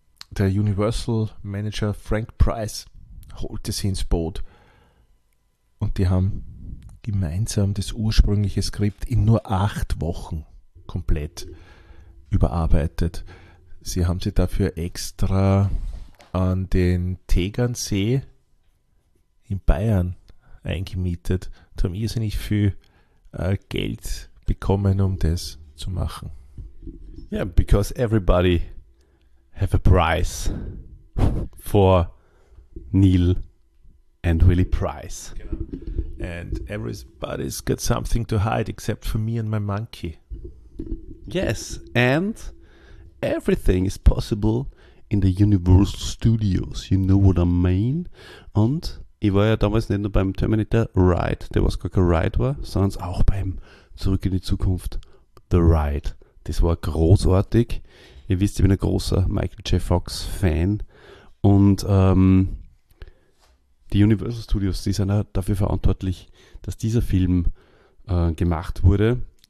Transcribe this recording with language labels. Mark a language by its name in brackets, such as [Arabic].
[German] Der Universal Manager Frank Price holte sie ins Boot und die haben gemeinsam das ursprüngliche Skript in nur 8 Wochen komplett überarbeitet. Sie haben sie dafür extra an den Tegernsee in Bayern eingemietet und haben irrsinnig viel Geld bekommen, um das zu machen. [English] Yeah, because everybody have a price for Neil and Willy Price. And everybody's got something to hide except for me and my monkey. Yes, and everything is possible in the Universal Studios. You know what I mean? [German] Und ich war ja damals nicht nur beim Terminator Ride, der was gar kein Ride war, sondern auch beim Zurück in die Zukunft The Ride. Das war großartig. Ihr wisst, ich bin ein großer Michael J. Fox-Fan. Und die Universal Studios, die sind auch dafür verantwortlich, dass dieser Film gemacht wurde.